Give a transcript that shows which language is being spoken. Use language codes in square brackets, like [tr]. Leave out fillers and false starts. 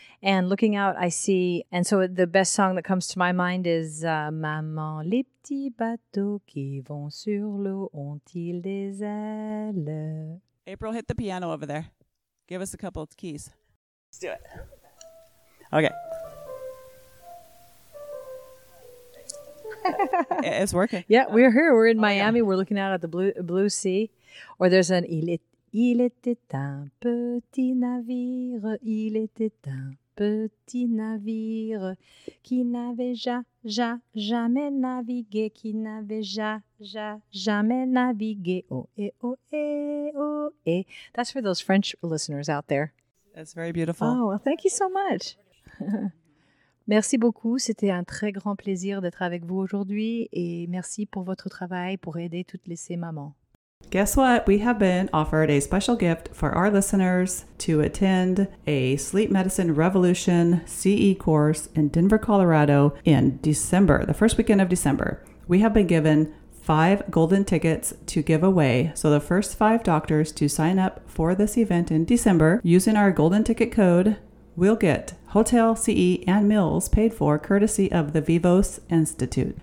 [en] And looking out, I see. And so the best song that comes to my mind is [fr] "Maman, les petits bateaux qui vont sur l'eau ont-ils des ailes." [en] April, hit the piano over there. Give us a couple of keys. Let's do it. Okay. It's working. Yeah, we're here. We're in Miami. Yeah. We're looking out at the blue sea. Or there's an [fr] il était un petit navire. Il était un petit navire qui n'avait jamais navigué. Qui n'avait jamais navigué. [en] Oh, eh, oh, eh, oh, eh. That's for those French listeners out there. That's very beautiful. Oh, well, thank you so much. [fr] Merci beaucoup. C'était un très grand plaisir d'être avec vous aujourd'hui. Et merci pour votre travail pour aider toutes les ces mamans. [en] Guess what? We have been offered a special gift for our listeners to attend a Sleep Medicine Revolution CE course in Denver, Colorado in December, the first weekend of December. We have been given 5 golden tickets to give away. So the first 5 doctors to sign up for this event in December using our golden ticket code will get hotel, CE, and meals paid for courtesy of the Vivos Institute.